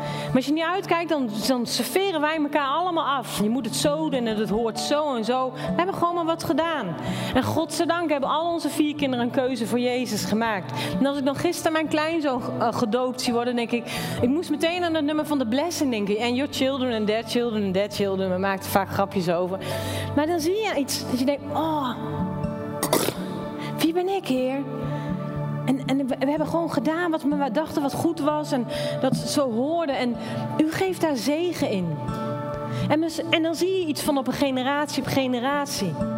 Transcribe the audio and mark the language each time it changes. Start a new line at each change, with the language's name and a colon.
Dutch: Maar als je niet uitkijkt, dan serveren wij elkaar allemaal af. Je moet het zo doen en het hoort zo en zo. We hebben gewoon maar wat gedaan. En godzijdank hebben al onze 4 kinderen een keuze voor Jezus gemaakt. En als ik dan gisteren mijn kleinzoon gedoopt zie worden, denk ik, ik moest meteen aan het nummer van de blessing denken.
English: And your children and their children and their children.
Dutch: We maakten vaak grapjes over. Maar dan zie je iets dat je denkt, oh, wie ben ik, Heer? En we hebben gewoon gedaan wat we dachten wat goed was. En dat ze zo hoorden. En u geeft daar zegen in. En dan zie je iets van op generatie.